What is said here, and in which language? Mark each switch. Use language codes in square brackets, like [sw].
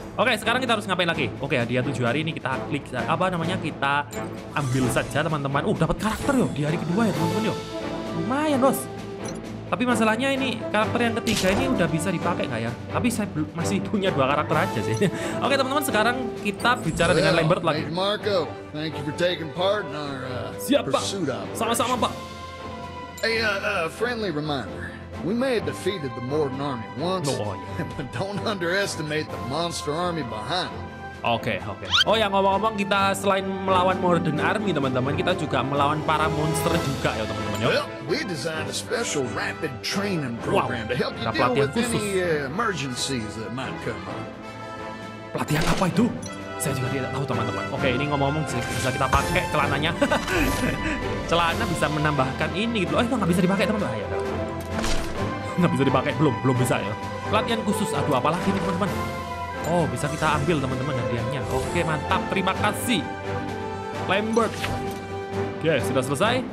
[id] Oke, sekarang kita harus ngapain lagi? Oke, hadiah 7 hari ini kita klik. Apa namanya? Kita ambil saja, teman-teman. Dapat karakter yuk. Di hari kedua ya, teman-teman. Yuk. Lumayan, bos. Tapi masalahnya ini karakter yang ketiga ini udah bisa dipakai nggak ya? Tapi saya masih punya dua karakter aja sih. Oke teman-teman, sekarang kita bicara dengan Lambert lagi. [en] Marco, thank you for taking part in our pursuit. [id] Sama-sama Pak. [en] Hey, friendly reminder, we may have defeated the Morden army once, but don't underestimate the monster army behind. [id] Oke. Oh ya, ngomong-ngomong, kita selain melawan Morden Army, teman-teman, kita juga melawan para monster juga ya, teman-teman. [en] Well, we designed a special rapid training program to help you deal with any emergencies that might come up. [id] Pelatihan apa itu? Saya juga tidak tahu, teman-teman. Oke, ini ngomong-ngomong, bisa kita pakai celananya. Celana bisa menambahkan ini gitu. Oh, nggak bisa dipakai, teman-teman. Ayo, nggak bisa dipakai, belum bisa ya. Pelatihan khusus, aduh, apalagi ini, teman-teman. Oh, bisa kita ambil teman-teman hadiahnya. Oke, mantap. Terima kasih. Lambert. Oke, sudah selesai.